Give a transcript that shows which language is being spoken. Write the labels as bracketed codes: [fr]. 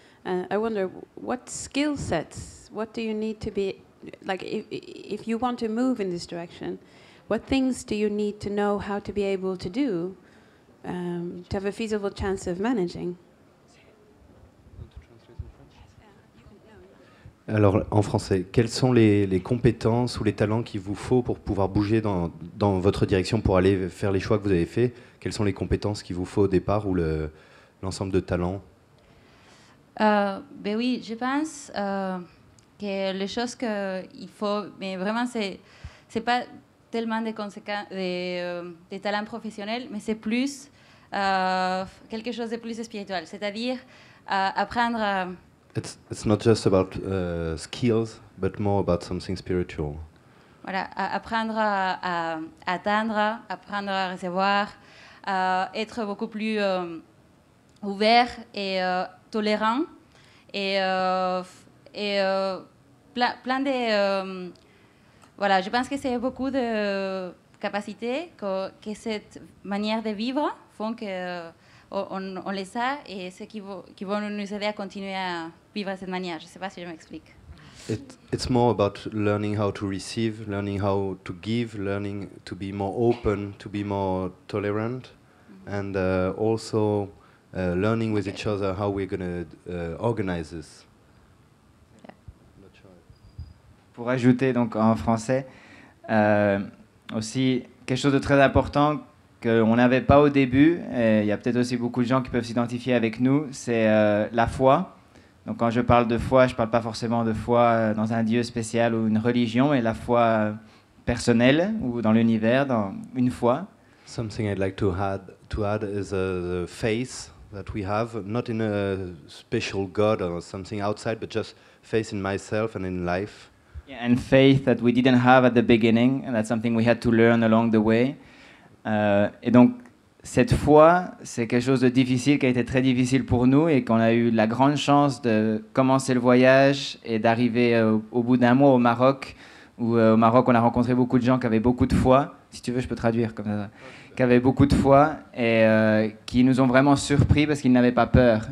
[en] I wonder, what skill sets, what do you need to be... Like, if you want to move in this direction, what things do you need to know how to be able to do to have a feasible chance of managing? [fr] Alors, en français, quelles sont les compétences ou les talents qu'il vous faut pour pouvoir bouger dans votre direction, pour aller faire les choix que vous avez faits? Quelles sont les compétences qu'il vous faut au départ ou l'ensemble de talents? Ben oui, je pense... que les choses qu'il faut, mais vraiment, c'est pas tellement des talents professionnels, mais c'est plus quelque chose de plus spirituel, c'est-à-dire apprendre à... [en] It's not just about skills, but more about something spiritual. [fr] Voilà, apprendre à attendre, apprendre à recevoir, être beaucoup plus ouvert et tolérant, plein de voilà, je pense que c'est beaucoup de capacités que cette manière de vivre font que on les a et c'est qui vont nous aider à continuer à vivre de cette manière. Je ne sais pas si je m'explique. [en] It's more about learning how to receive, learning how to give, learning to be more open, to be more tolerant, and also learning with each other how we're going to organize this. [fr] Pour ajouter donc en français, aussi quelque chose de très important qu'on n'avait pas au début, et il y a peut-être aussi beaucoup de gens qui peuvent s'identifier avec nous, c'est la foi. Donc quand je parle de foi, je ne parle pas forcément de foi dans un dieu spécial ou une religion, mais la foi personnelle ou dans l'univers, dans une foi. [en] Something I'd like to add is the faith that we have, not in a special god or something outside, but just faith in myself and in life. Yeah, and faith that we didn't have at the beginning, and that's something we had to learn along the way. [fr] Et donc, cette foi, c'est quelque chose de difficile, qui a été très difficile pour nous, et qu'on a eu la grande chance de commencer le voyage et d'arriver au bout d'un mois au Maroc, où au Maroc, on a rencontré beaucoup de gens qui avaient beaucoup de foi. Si tu veux, je peux traduire comme ça. Qui avaient beaucoup de foi et qui nous ont vraiment surpris parce qu'ils n'avaient pas peur.